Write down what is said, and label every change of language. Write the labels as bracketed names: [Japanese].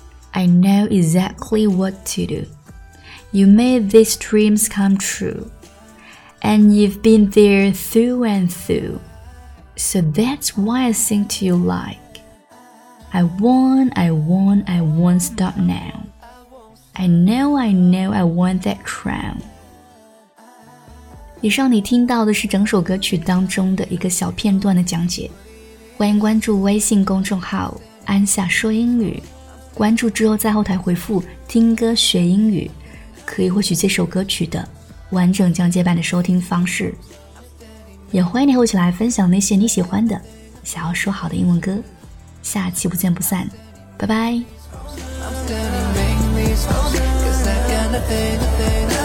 [English] I know exactly what to do. You made these dreams come true. And you've been there through and through. So that's why I sing to you like, I won't stop now. I know I want that crown. [Chinese] 以上你听到的是整首歌曲当中的一个小片段的讲解。欢迎关注微信公众号安夏说英语，关注之后在后台回复听歌学英语，可以获取这首歌曲的完整讲解版的收听方式。也欢迎你后起来分享那些你喜欢的想要说好的英文歌。下期不见不散，拜拜。 [English] 'Cause that kind of thing